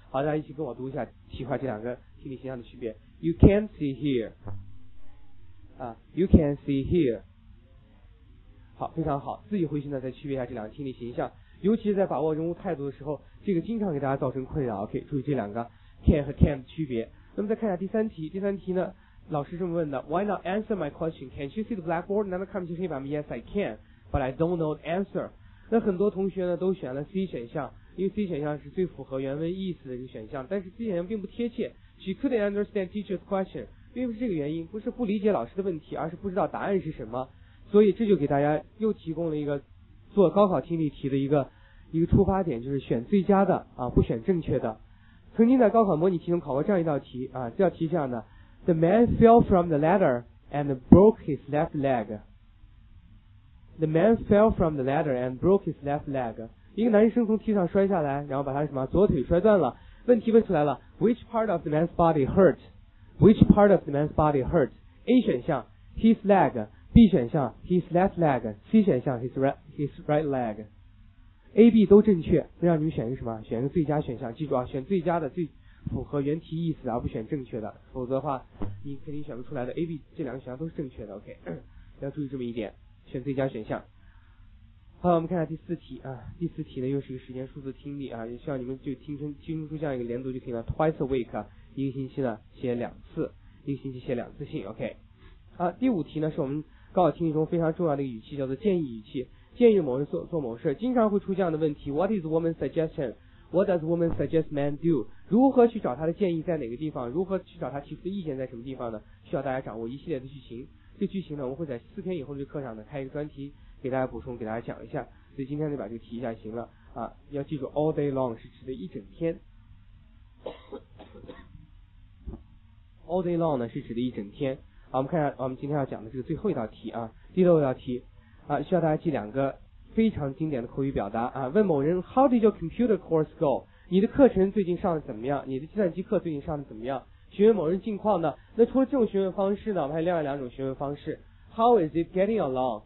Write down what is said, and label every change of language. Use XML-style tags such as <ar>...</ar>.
<zh>好，大家一起跟我读一下，体会这两个听力形象的区别。</zh> <en>You can see here，</en> <zh>啊 ，you can see here， 好，非常好，自己回去呢再区别一下这两个听力形象。尤其是在把握人物态度的时候，这个经常给大家造成困扰。OK， 注意这两个 can 和 can 的区别。那么再看一下第三题，第三题呢，老师这么问的 ：</zh> <en>Why not answer my question? Can you see the blackboard?</en> <zh>难道看不清黑板吗</zh> <en>？Yes, I can, but I don't know the answer。</en> <zh>那很多同学呢都选了 C 选项，因为 C 选项是最符合原文意思的一个选项，但是 C 选项并不贴切。</zh> <en>She couldn't understand teacher's question，</en> <zh>并不是这个原因，不是不理解老师的问题，而是不知道答案是什么。所以这就给大家又提供了一个。做高考听力题的一个出发点，就是选最佳的啊，不选正确的。曾经在高考模拟题中考过这样一道题啊，这道题这样的 ：</zh> <en>The man fell from the ladder and broke his left leg. The man fell from the ladder and broke his left leg.</en> <zh>一个男生从梯上摔下来，然后把他什么左腿摔断了。问题问出来了</zh> <en>：Which part of the man's body hurt? Which part of the man's body hurt?</en> <zh>A 选项 ：his leg。B 选项</zh> <en>his left leg，</en> <zh>C 选项</zh> <en>his right leg，</en> <zh>A B 都正确，那让你们选一个什么？选一个最佳选项，记住啊，选最佳的，最符合原题意思，而不选正确的，否则的话，你肯定选不出来的。 A B 这两个选项都是正确的 ，OK， 要注意这么一点，选最佳选项。好，我们看一下第四题啊，第四题呢又是一个时间数字听力啊，也希望你们就听出这样一个连读就可以了 ，</zh> <en>twice a week，</en> <zh>一个星期呢写两次，一个星期写两次信 ，OK。啊，第五题呢是我们高考听力中非常重要的语气，叫做建议语气，建议某人做某事，经常会出这样的问题 ：</zh> <en>What is woman's suggestion? What does woman suggest man do?</en> <zh>如何去找他的建议在哪个地方？如何去找他提出的意见在什么地方呢？需要大家掌握一系列的剧情。这剧情呢，我们会在四天以后的课上呢开一个专题给大家补充，给大家讲一下。所以今天就把这个题一下行了啊，要记住</zh> <en>all day long</en> <zh>是指的一整天 ，all day long 呢是指的一整天。好，我们看一下我们今天要讲的这个最后一道题啊，第六道题啊，需要大家记两个非常经典的口语表达啊。问某人</zh> <en>How did your computer course go?</en> <zh>你的课程最近上的怎么样？你的计算机课最近上的怎么样？询问某人近况呢？那除了这种询问方式呢，我们还另外两种询问方式</zh> <en>How is it getting along?</en>